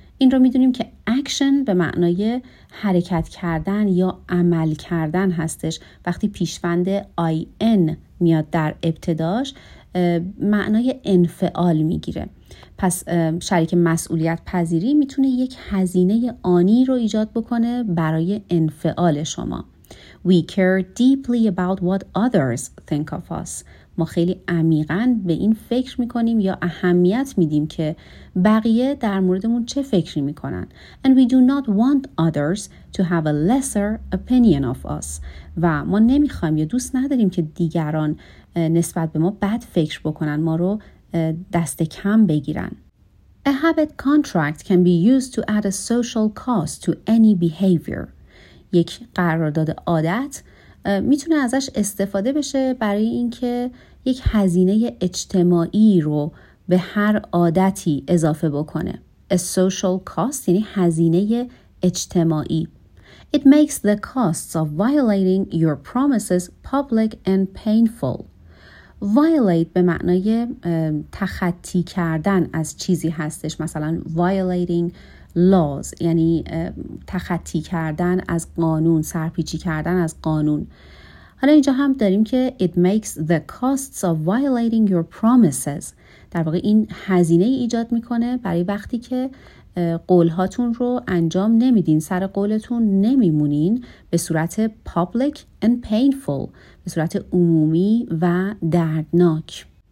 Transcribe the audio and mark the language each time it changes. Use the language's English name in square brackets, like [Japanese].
[Persian] این رو میدونیم که action به معنای حرکت کردن یا عمل کردن هستش. وقتی پیشوند IN میاد در ابتداش معنای انفعال میگیره. پس شریک مسئولیت پذیری میتونه یک هزینه آنی رو ایجاد بکنه برای انفعال شما. [English] We care deeply about what others think of us. [Persian] ما خیلی عمیقاً به این فکر میکنیم یا اهمیت میدیم که بقیه در موردمون چه فکری میکنن. [English] And we do not want others to have a lesser opinion of us. [Persian] و ما نمیخوایم یا دوست نداریم که دیگران نسبت به ما بد فکر بکنن، ما رو دست کم بگیرن. [English] A habit contract can be used to add a social cost to any behavior. [Persian] یک قرارداد عادت میتونه ازش استفاده بشه برای اینکه یک هزینه اجتماعی رو به هر عادتی اضافه بکنه. [English] A social cost [Persian] یعنی هزینه اجتماعی. [English] It makes the costs of violating your promises public and painful. [Persian] Violate به معنای تخطی کردن از چیزی هستش، مثلا [English] violating laws [Persian] یعنی تخطی کردن از قانون، سرپیچی کردن از قانون. حالا اینجا هم داریم که [English] it makes the costs of violating your promises، [Persian] در واقع این هزینه ایجاد میکنه برای وقتی که قولهاتون رو انجام نمیدین، سر قولتون نمیمونین، به صورت [English] public and painful، [Persian] به صورت عمومی و دردناک.